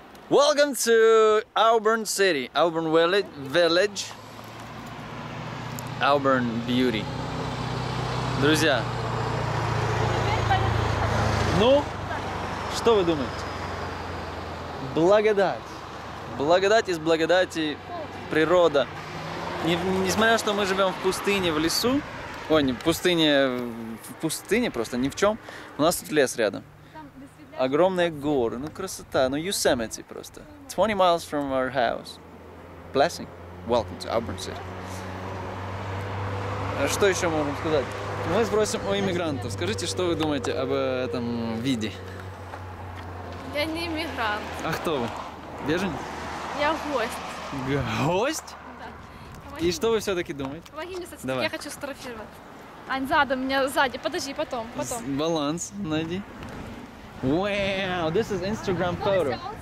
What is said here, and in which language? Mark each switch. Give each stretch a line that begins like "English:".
English: Welcome to Auburn City, Auburn Village, Auburn Beauty.
Russian: Друзья, ну, что вы думаете? Благодать. Благодать из благодати природа. Несмотря что мы живем в пустыне, в лесу, ой, не в пустыне, в пустыне просто, ни в чем, у нас тут лес рядом. Огромные горы, ну красота, ну Йосемити просто.
English: 20 miles from our house. Blessing. Welcome to Auburn City.
Russian: Что еще можем сказать? Мы спросим у иммигрантов. Скажите, что вы думаете об этом виде? Я не иммигрант. А кто вы? Беженец? Я гость. Гость? Да. Помоги. И что вы все-таки думаете? Помоги мне, кстати, я хочу сфотографировать. Ань, сзади, меня сзади, подожди, потом, потом. Баланс найди.
English: Wow, this is Instagram photo.